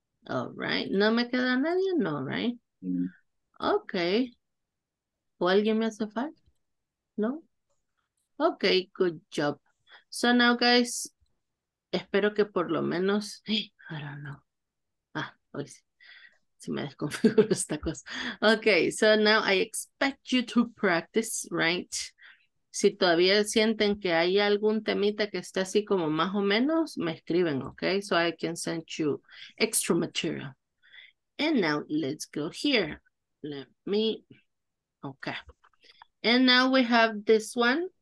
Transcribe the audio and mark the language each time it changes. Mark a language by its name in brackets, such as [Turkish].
[English] All right. [Spanish] No me queda nadie. No, right. Mm-hmm. Okay. ¿O alguien me hace falta? ¿No? [English] Okay, good job. So now, guys, [Spanish] espero que por lo menos... [English] I don't know. [Spanish] Ah, hoy sí. Si me desconfiguro esta cosa. [English] Okay, so now I expect you to practice, right? [Spanish] Si todavía sienten que hay algún temita que está así como más o menos, me escriben, okay? [English] So I can send you extra material. And now, let's go here. Let me, okay. And now we have this one.